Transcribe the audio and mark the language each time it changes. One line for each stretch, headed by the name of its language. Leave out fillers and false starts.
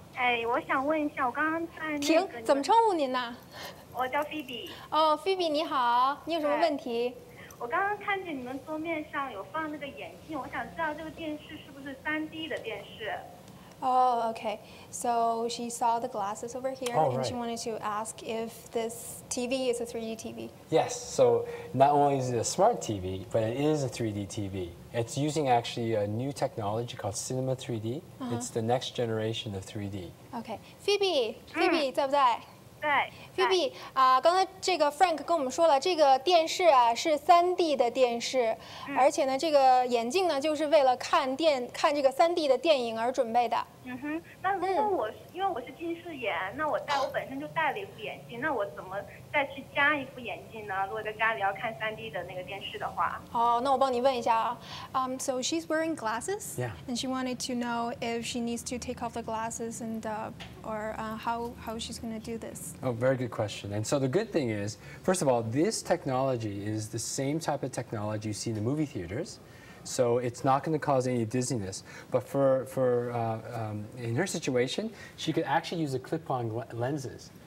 Chinese: 哎，我想问一下，我刚刚在那个…… 停，怎么称呼您呢？我叫菲比。哦，菲比你好，你有什么问题？我刚刚看见你们桌面上有放那个眼镜，我想知道这个电视是不是 3D 的电视。
English: Oh, okay. So she saw the glasses over here, oh, right. And she wanted to ask if this TV is a 3D TV. Yes. So not only is it a smart TV, but it is a 3D TV. It's using actually a new technology called Cinema 3D. Uh-huh. It's the next generation of 3D.
Chinese: Okay. Phoebe, 在不在？对，Phoebe 啊，刚才这个 Frank 跟我们说了，这个电视啊是 3D 的电视，而且呢，这个眼镜呢就是为了看这个 3D 的电影而准备的。嗯哼，那如果因为我是近视眼，那我本身就戴了一副眼镜，那我怎么再去加一副眼镜呢？如果在家里要看 3D 的那个电视的话。好，那我帮你问一下啊。
English: So she's wearing glasses. Yeah. And she wanted to know if she needs to take off the glasses and how she's going to do this. Oh, very good question. And so the good thing is, first of all, this technology is the same type of technology you see in the movie theaters. So it's not going to cause any dizziness. But in her situation, she could actually use a clip-on lenses.